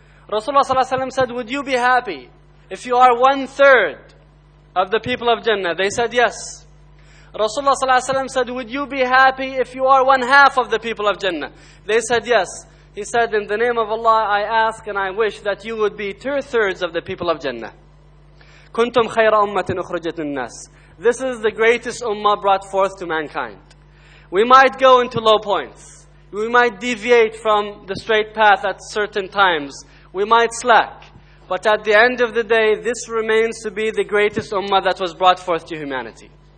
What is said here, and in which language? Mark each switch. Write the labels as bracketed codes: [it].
[en] Rasulullah sallallahu alaihi wasallam said, would you be happy if you are one-third of the people of Jannah? They said, yes. Rasulullah sallallahu alaihi wasallam said, would you be happy if you are one-half of the people of Jannah? They said, yes. He said, in the name of Allah, I ask and I wish that you would be two-thirds of the people of Jannah. [ar] كنتم خير أمة أخرجت للناس. [en] This is the greatest ummah brought forth to mankind. We might go into low points. We might deviate from the straight path at certain times. We might slack. But at the end of the day, this remains to be the greatest ummah that was brought forth to humanity.